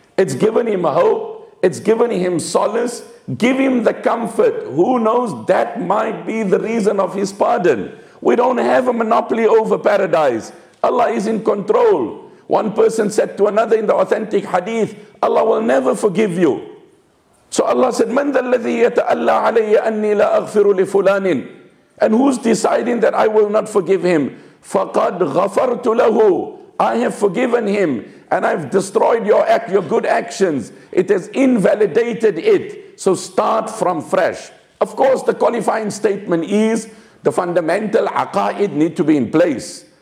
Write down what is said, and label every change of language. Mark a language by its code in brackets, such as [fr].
[en] It's given him hope. It's given him solace. Give him the comfort. Who knows? That might be the reason of his pardon. We don't have a monopoly over paradise. Allah is in control. One person said to another in the authentic hadith, Allah will never forgive you. So Allah said, [ar] من ذا الذي يتألى علي أني لا أغفر لفلان? [en] And who's deciding that I will not forgive him? [ar] فقد غفرت له. [en] I have forgiven him and I've destroyed your good actions. It has invalidated it. So start from fresh. Of course, the qualifying statement is the fundamental aqaid need to be in place.